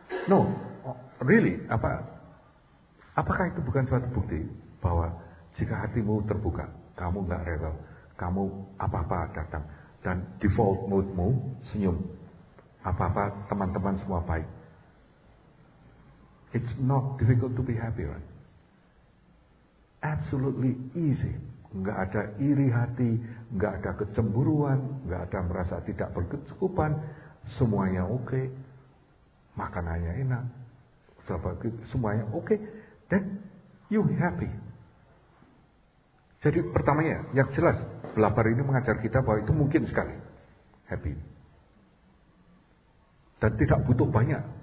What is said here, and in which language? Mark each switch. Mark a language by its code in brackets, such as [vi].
[en] No, really [id] apa? Apakah itu bukan suatu bukti bahwa jika hatimu terbuka, kamu enggak rewel, kamu apa-apa datang dan default moodmu senyum, apa-apa teman-teman semua baik. [en] It's not difficult to be happy, right? Absolutely easy. [id] Enggak ada iri hati, enggak ada kecemburuan, enggak ada merasa tidak berkecukupan, semuanya oke. Makanannya enak. Semuanya oke. [en] Then you happy. [id] Jadi pertamanya yang jelas Belabar ini mengajar kita bahwa itu mungkin sekali happy dan tidak butuh banyak.